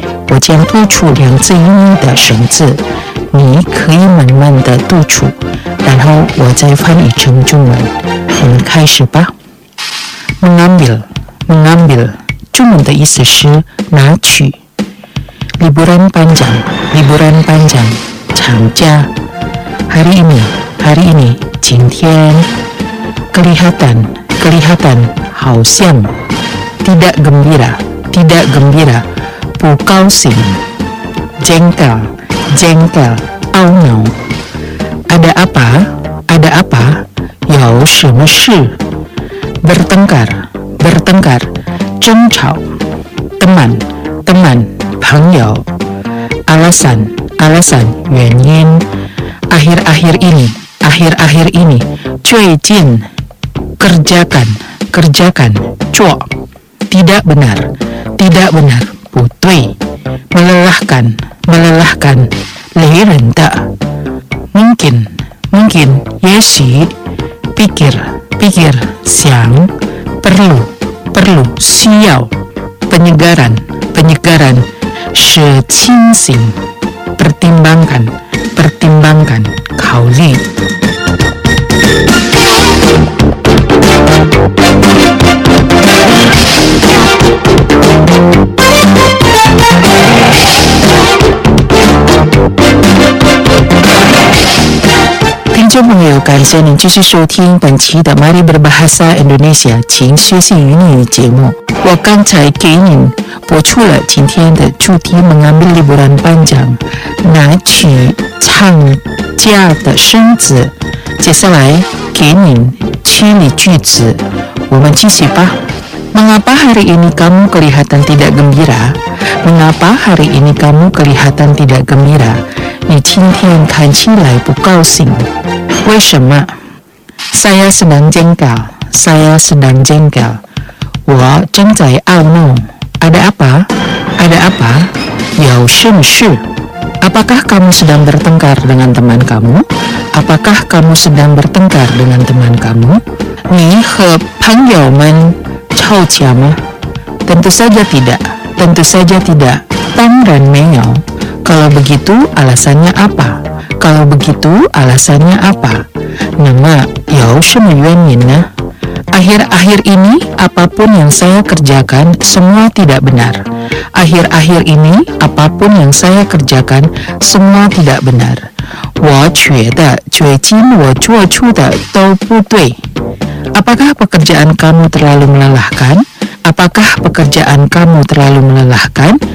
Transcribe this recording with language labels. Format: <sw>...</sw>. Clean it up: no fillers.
<zh>我将读出两字音的生字，你可以慢慢的读出，然后我再翻译成中文。我们开始吧。</zh> <id>Mengambil, mengambil，</id> <zh>中文的意思是拿取。</zh> <id>Liburan panjang, liburan panjang，</id> <zh>长假。</zh> <id>Hari ini, hari ini，</id> <zh>今天。</zh> <id>Kelihatan, kelihatan，</id> <zh>好像。</zh> <id>Tidak gembira, tidak gembira，</id> <zh>不高兴。</zh> <id>Jengkel, jengkel，</id> <zh>懊恼。</zh> <id>Ada apa, ada apa，</id> <zh>有什么事。</zh> <id>Bertengkar, bertengkar，</id> <zh>争吵。</zh> <id>Teman, teman，</id> <zh>朋友。</zh> <id>Alasan, alasan，</id> <zh>原因。</zh> <id>Akhir-akhir ini, akhir-akhir ini，</id> <zh>最近。</zh> <id>Kerjakan, kerjakan，</id> <zh>做。</zh> <id>Tidak benar, tidak benar，</id> <zh>不对。</zh> <id>Melelahkan, melelahkan，</id> <zh>累人的。</zh> <id>Mungkin, mungkin，</id> <zh>也许。</zh> <id>Pikir, pikir，</id> <zh>想。</zh> <id>Perlu, perlu，</id> <zh>需要。</zh> <id>Penyegaran, penyegaran，</id> <zh>是清醒。</zh> <id>Pertimbangkan, pertimbangkan，</id> <zh>考虑。听众朋友，感谢您继续收听本期的 Mari Berbahasa Indonesia 请学习语音节目。我刚才给您播出了今天的主题</zh> <id>Mengambil liburan panjang，</id> <zh>拿取长假的生字。接下来给您清理句子，我们继续吧。</zh> <id>Mengapa hari ini kamu kelihatan tidak gembira? Mengapa hari ini kamu kelihatan tidak gembira?</id> <zh>你今天看起来不高兴。为什么？</zh> <id>Saya sedang jengkel. Saya sedang jengkel.</id> <zh>我正在懊恼。</zh> <id>Ada apa? Ada apa?</id> <zh>有什么事？</zh> <id>Apakah kamu sedang bertengkar dengan teman kamu? Apakah kamu sedang bertengkar dengan teman kamu?</id> <zh>你和朋友们吵架吗？</zh> <id>Tentu saja tidak. Tentu saja tidak.</id> <zh>当然没有。</zh> <id>Kalau begitu alasannya apa? Kalau begitu alasannya apa?</id> <zh>那么有什么原因呢？</zh> <id>Akhir-akhir ini apapun yang saya kerjakan semua tidak benar. Akhir-akhir ini apapun yang saya kerjakan semua tidak benar.</id> <zh>我觉得最近我做出的都不对。</zh> <id>Apakah pekerjaan kamu terlalu melelahkan? Apakah pekerjaan kamu terlalu melelahkan?</id>